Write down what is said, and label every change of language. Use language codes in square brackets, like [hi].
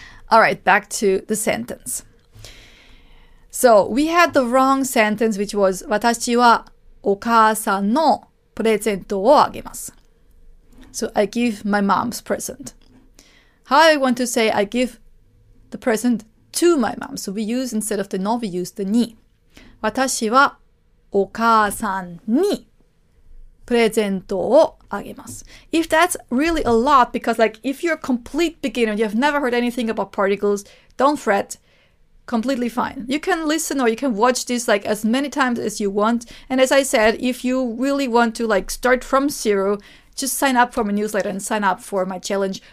[en] All right, back to the sentence. So we had the wrong sentence, which was [ja] 私はお母さんのプレゼントをあげます。 [en] So I give my mom's present. How I want to say I give the present to my mom. So we use, instead of the no, we use the に. [ja] 私はお母さんにプレゼントをあげます。 [en] If that's really a lot, because like if you're a complete beginner, you have never heard anything about particles, don't fret. Completely fine. You can listen or you can watch this like as many times as you want. And as I said, if you really want to like start from zero, just sign up for my newsletter and sign up for my challenge.